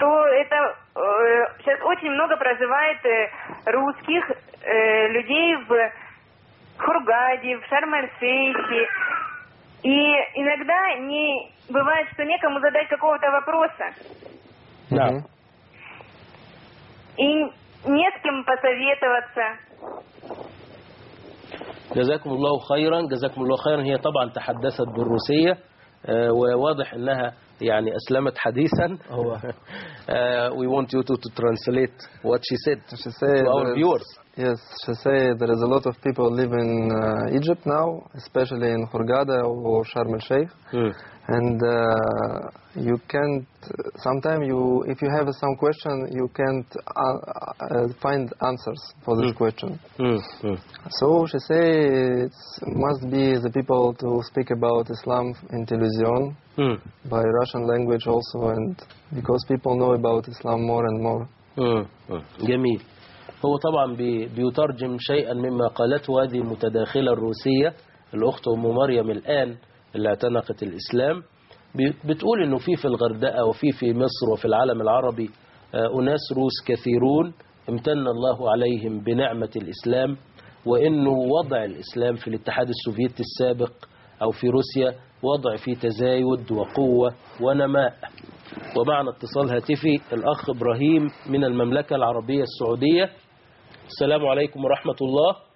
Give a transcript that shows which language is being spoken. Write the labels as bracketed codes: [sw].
[ru] что это сейчас очень много проживает русских людей в Хургаде, в Шарм-эль-Шейхе. И иногда не бывает, что некому задать какого-то вопроса. Да. И не с кем посоветоваться. [ar] جزاكم الله خيرا جزاكم الله خيرا هي طبعا تحدثت بالروسية وواضح انها يعني اسلمت حديثا هو [en] we want you to translate what she said she said to our viewers yes she said there is a lot of people living Egypt now especially in Hurghada or Sharm el Sheikh and you can't sometimes you if you have some question you can't find answers for this question so she say it must be the people to speak about Islam in television by Russian language also and because people know about Islam more and more [ar] جميل هو طبعا بيترجم شيئا مما قالته هذه المتداخلة الروسية الأخت أم مريم الآن اللي اعتنقت الإسلام بتقول انه في الغردقة وفي مصر وفي العالم العربي اناس روس كثيرون امتن الله عليهم بنعمة الاسلام وانه وضع الاسلام في الاتحاد السوفيتي السابق او في روسيا وضع في تزايد وقوة ونماء ومعنى اتصال هاتفي الاخ ابراهيم من المملكة العربية السعودية السلام عليكم ورحمة الله